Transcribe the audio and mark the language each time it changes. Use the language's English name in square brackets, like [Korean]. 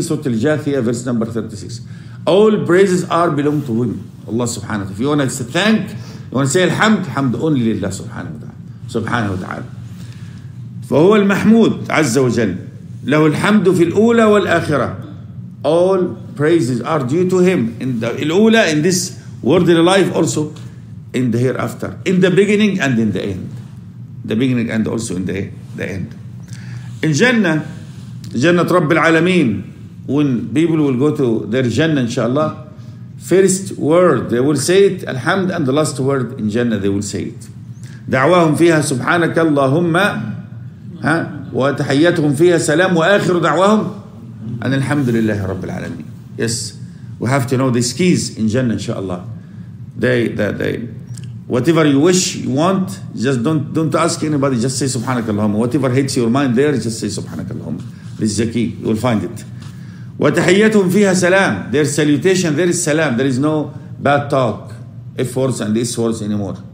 [English] سورة الجاثية verse number 36. All praises are belong to him, Allah سبحانه وتعالى. If you want to thank, you want to say الحمد, حمد only لله سبحانه وتعالى. سبحانه وتعالى. [Arabic] فهو المحمود عز وجل. له الحمد في الأولى والآخرة. [English] All praises are due to him in the الأولى, in this worldly life also. In the hereafter, in the beginning and in the end, the beginning and also in the end. In Jannah, Jannah رب العالمين, when people will go to their Jannah, inshallah, first word they will say it, Alhamd, and the last word in Jannah they will say it. [Arabic] دعواهم فيها سبحانك اللهم ها وتحياتهم فيها سلام وآخر دعواهم أن الحمد لله رب العالمين. [English] Yes, we have to know these keys in Jannah, inshallah. They. Whatever you wish, you want, just don't ask anybody, just say Subhanaka Allahumma. Whatever hits your mind there, just say Subhanaka Allahumma. This is the key, you will find it. [Arabic] وَتَحَيَّتُهُمْ فِيهَا سَلَامٌ [English] Their salutation, there is salam. There is no bad talk, if words and these words anymore.